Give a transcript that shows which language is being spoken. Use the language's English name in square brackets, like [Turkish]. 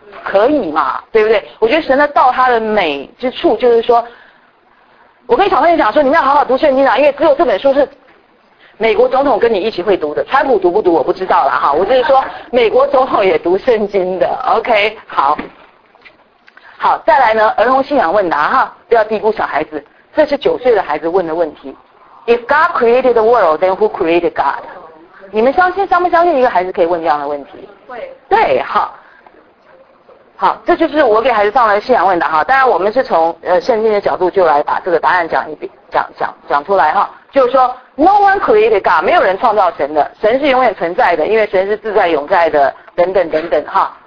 [Chinese] 可以嘛，对不对？我觉得神的道他的美之处就是说，我跟小朋友讲说你们要好好读圣经啊，因为只有这本书是美国总统跟你一起会读的，川普读不读我不知道啦哈，我就是说美国总统也读圣经的。 OK， 好好，再来呢，儿童信仰问答哈，不要低估小孩子，这是九岁的孩子问的问题。 [English] If God created the world, then who created God? [Chinese] 你们相信，相不相信一个孩子可以问这样的问题？会。对，好好，这就是我给孩子上来的信仰问答哈。当然我们是从圣经的角度就来把这个答案讲一遍，讲出来哈，就是说 [English] No one created God， [Chinese] 没有人创造神的，神是永远存在的，因为神是自在永在的等等等等哈。